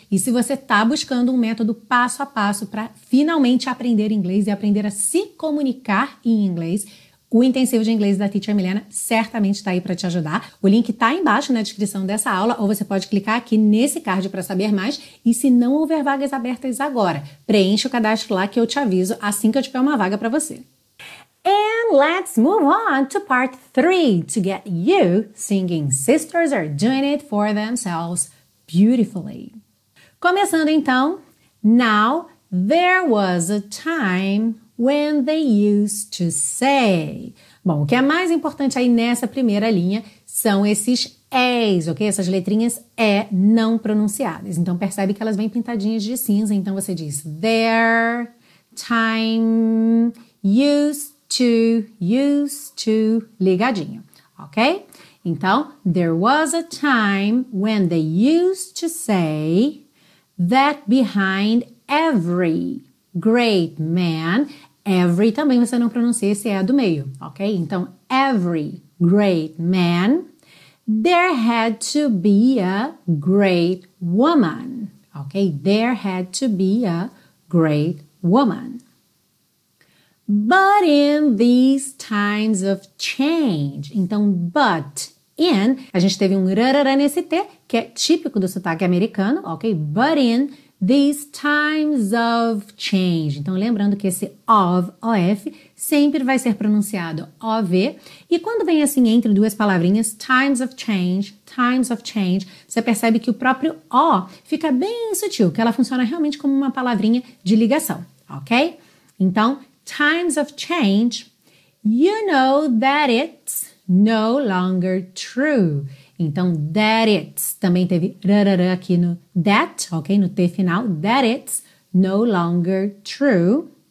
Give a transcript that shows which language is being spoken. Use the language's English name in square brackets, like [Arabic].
[Portuguese] E se você está buscando um método passo a passo para finalmente aprender inglês e aprender a se comunicar em inglês, o Intensivo de Inglês da Teacher Milena certamente está aí para te ajudar. O link está embaixo na descrição dessa aula, ou você pode clicar aqui nesse card para saber mais. E se não houver vagas abertas agora, preencha o cadastro lá que eu te aviso assim que eu tiver uma vaga para você. [English] And let's move on to part 3 to get you singing Sisters Are Doing It For Themselves Beautifully. [Portuguese] Começando então, [English] now there was a time when they used to say. [Portuguese] Bom, o que é mais importante aí nessa primeira linha são esses E's, ok? Essas letrinhas E não pronunciadas. Então percebe que elas vêm pintadinhas de cinza. Então você diz [English] their time used to, [Portuguese] ligadinho, ok? Então, [English] there was a time when they used to say that behind every great man. [Portuguese] Every também você não pronuncia esse E do meio, ok? Então, [English] every great man, there had to be a great woman, ok? There had to be a great woman. But in these times of change, [Portuguese] então, but in, a gente teve um rarara nesse T, que é típico do sotaque americano, ok? [English] But in these times of change. [Portuguese] Então, lembrando que esse of, OF, sempre vai ser pronunciado OV. E quando vem assim entre duas palavrinhas, [English] times of change, [Portuguese] você percebe que o próprio O fica bem sutil, que ela funciona realmente como uma palavrinha de ligação, ok? Então, [English] times of change, you know that it's no longer true. [Portuguese] Então, that it's, também teve rarara aqui no that, ok? No T final, [English] that it's no longer true.